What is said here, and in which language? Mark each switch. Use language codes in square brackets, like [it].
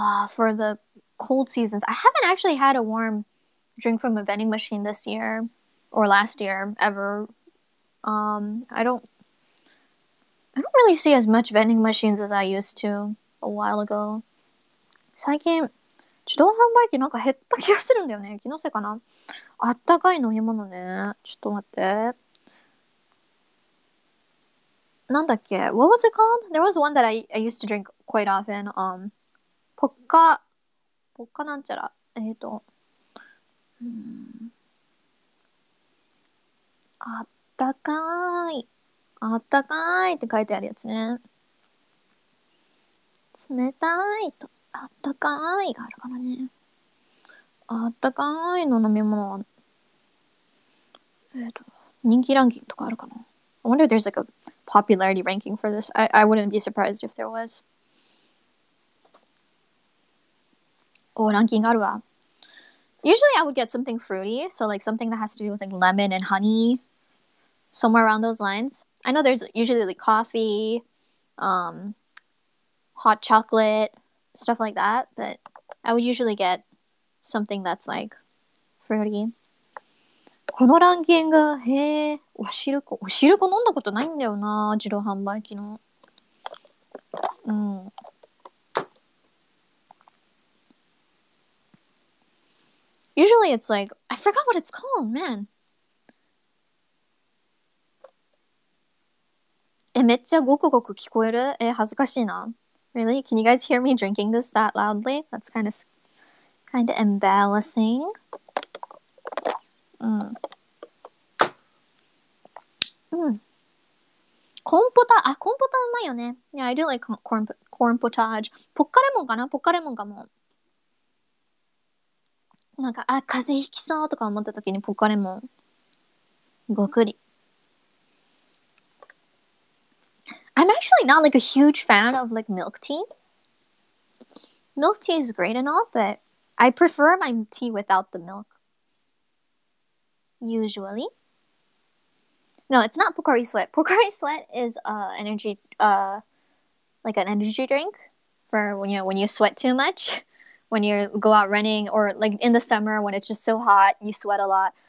[en] For the cold seasons. I haven't actually had a warm drink from a vending machine this year. Or last year, ever. I don't really see as much vending machines as I used to a while ago. [ja] 最近、自動販売機なんか減った気がするんだよね。気のせいかな。あったかい飲み物ね。ちょっと待って。なんだっけ [en] ?What was it called? There was one that I used to drink quite often. [ja] ポッカなんちゃら。あったかーい。あったかーいって書いてあるやつね。冷たいと、あったかーいがあるからね。あったかーいの飲み物は、人気ランキングとかあるかな。 [en] I wonder if there's like a popularity ranking for this. I wouldn't be surprised if there was. Oh, [ja] nanking arwa. [en] Usually, I would get something fruity, so like something that has to do with like lemon and honey, somewhere around those lines. I know there's usually like coffee, hot chocolate, stuff like that, but I would usually get something that's like fruity. [ja] このランキング、へえ、おしるこ、おしるこ飲んだことないんだよな、自動販売機の。 [en] Usually it's like, I forgot what it's called, man. [ja] え、めっちゃごくごく聞こえる？え、恥ずかしいな。 [en] Really? Can you guys hear me drinking this that loudly? That's kind of embarrassing. [ja] コンポタ、あ、コンポタうまいよね。 [en] Yeah, I do like corn potage. [ja] ポッカレモンかな？ポッカレモンかも。なんか、あ、風邪ひきそうとか思った時にポッカレモン。ごくり。 [en] I'm actually not like a huge fan of like milk tea. Milk tea is great and all, but I prefer my tea without the milk. Usually. No, it's not Pocari Sweat. Pocari Sweat is energy like an energy drink for when you sweat too much, when you go out running or like in the summer when it's just so hot, you sweat a lot.